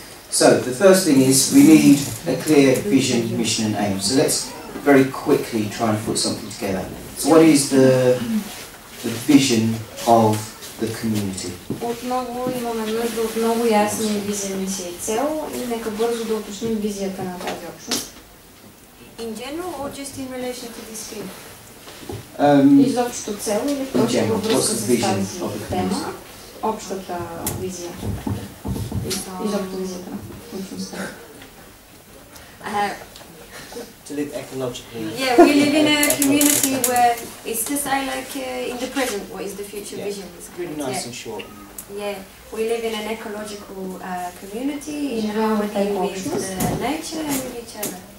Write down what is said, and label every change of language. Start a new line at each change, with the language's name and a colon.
English: So, the first thing is we need a clear vision, mission and aim. So let's very quickly try and put something together. So what is the vision of the community?
Bulgarian: Отново имаме нужда от много ясни визия, мисия и цел и нека бързо да уточним визията на тази общност.
English: In general or just in relation to this field?
Bulgarian: Изобщо цел или точно във връзка с тази тема? Общата визия. Изобщо визията на общността.
English: to live ecologically. Yeah, we live in a community where it's just I like in the present, what is the future vision? It's really nice and short. Yeah, we live in an ecological community, in harmony with nature and with each other.